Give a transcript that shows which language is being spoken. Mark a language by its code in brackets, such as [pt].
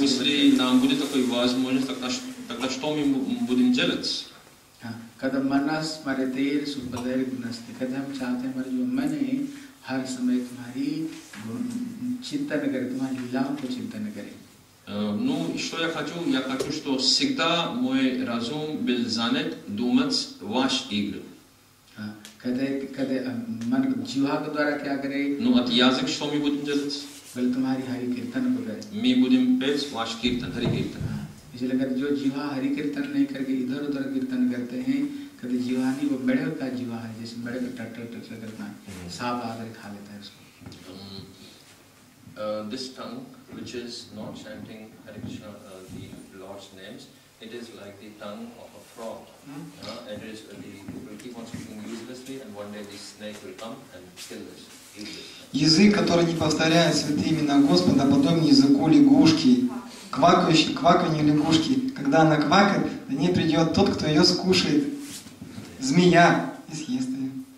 [ru] если нам будет такой возможность, тогда что мы будем делать? [hi] कदम मनस मरे तेर सुपदेर गुणस्ति कदम हम चाहते हमारे जो मन है हर समय तुम्हारी चिंतन करे तुम्हारी लीलाओं को चिंतन करे [ru] Ну, что я хочу, что всегда мой разум был занят думать ваш игры. Ну, от язык что мы будем делать? Мы будем петь ваш киртан, хари киртан. [hi] इसलिए अगर जो जीवा हरि कीर्तन नहीं करके इधर उधर कीर्तन करते हैं कभी जीवा नहीं वो बड़े का जीवा है जैसे बड़े का टटल टटल करता है सांप आकर खा लेता है उसको [en] this tongue which is not chanting Hari Krishna the Lord's names it is like the tongue of a frog and it is the will keep on speaking uselessly and one day this snake will come and kill this [ru] Язык, который не повторяет святые имена Господа, подобен языку лягушки. Квакающий, кваканье лягушки. Когда она квакает, до ней придет тот, кто ее скушает. Змея и съест ее.